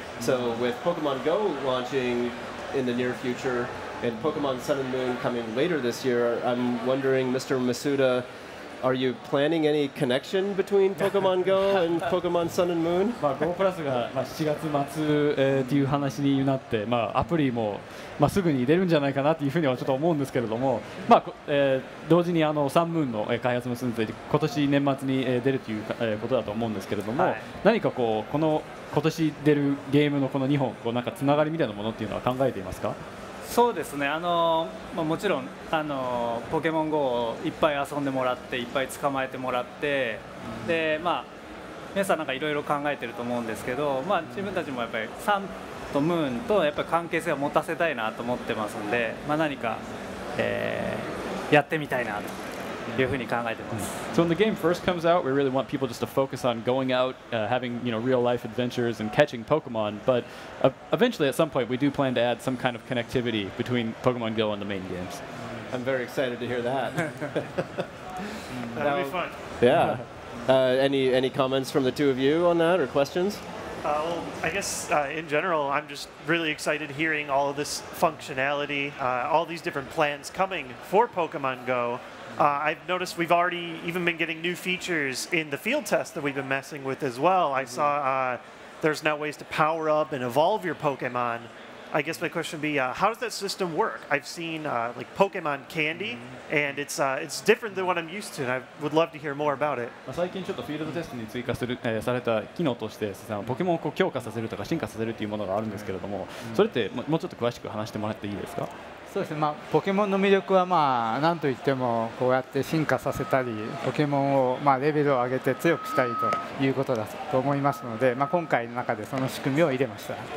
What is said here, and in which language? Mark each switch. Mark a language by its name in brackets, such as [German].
[English] So with Pokemon Go launching in the near future and Pokemon Sun and Moon coming later this year, I'm wondering, Mr. Masuda, Are you planning any connection between Pokemon Go and Pokemon Sun and Moon? [Japanese] まあ Go Plus が、まあ、7月末、っていう話になって、まあ、アプリも、まあ、すぐに出るんじゃないかなというふうにはちょっと思うんですけれども、まあ同時にあのサンムーンの開発も進んでいて今年年末に出るという、ことだと思うんですけれども、はい、何かこうこの今年出るゲームのこの2本こうなんかつながりみたいなものっていうのは考えていますか？そうですね、まあ、もちろんポケモン GO をいっぱい遊んでもらっていっぱい捕まえてもらって、うん、で、まあ、皆さんなんかいろいろ考えてると思うんですけど、まあ、自分たちもやっぱりサンとムーンとやっぱ関係性を持たせたいなと思ってますんで、まあ、何か、やってみたいなと。 [English] So when the game first comes out, we really want people just to focus on going out, having you know, real life adventures and catching Pokemon. But eventually, at some point, we do plan to add some kind of connectivity between Pokemon Go and the main games. I'm very excited to hear that. That'll be fun. Yeah. Any comments from the two of you on that or questions? Well, I guess in general, I'm just really excited hearing all of this functionality, all these different plans coming for Pokemon Go. I've noticed we've already even been getting new features in the field test that we've been messing with as well. I saw there's now ways to power up and evolve your Pokemon. I guess my question would be, how does that system work? I've seen like Pokemon Candy, and it's different than what I'm used to, and I would love to hear more about it. [Japanese] 最近ちょっとフィールドテストに追加する、された機能として、ポケモンをこう強化させるとか進化させるというものがあるんですけれども、それってもうちょっと詳しく話してもらっていいですか？そうですね、まあ、ポケモンの魅力は、まあ、なんといってもこうやって進化させたりポケモンを、まあ、レベルを上げて強くしたりということだと思いますので、まあ、今回の中でその仕組みを入れました。